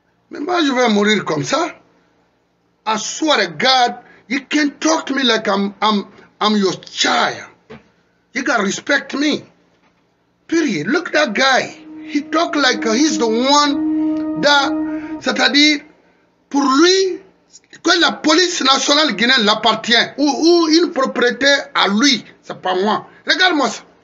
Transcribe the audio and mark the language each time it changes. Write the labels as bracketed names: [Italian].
[French] Mais moi je vais mourir comme ça. [English] I swear to God, you can't talk to me like I'm your child. You gotta respect me. Period. Look at that guy. He talk like he's the one that, [French] c'est-à-dire, pour lui, que la police nationale guinéenne l'appartient ou une propriété à lui, c'est pas moi. Regarde-moi ça.